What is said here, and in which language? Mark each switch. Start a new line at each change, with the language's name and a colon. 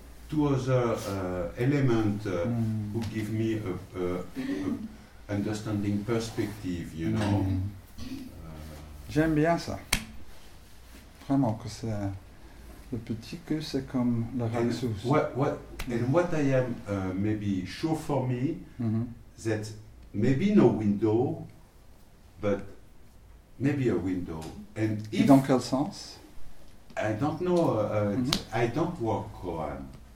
English: Two other elements who give me a understanding perspective, you know. Mm.
French: J'aime bien ça. Vraiment, que c'est le petit que c'est comme la ressource.
English: What I am maybe sure for me, mm-hmm. that maybe no window, but maybe a window. And if
French: dans quel sens?
English: I don't know. Mm-hmm. I don't work koan.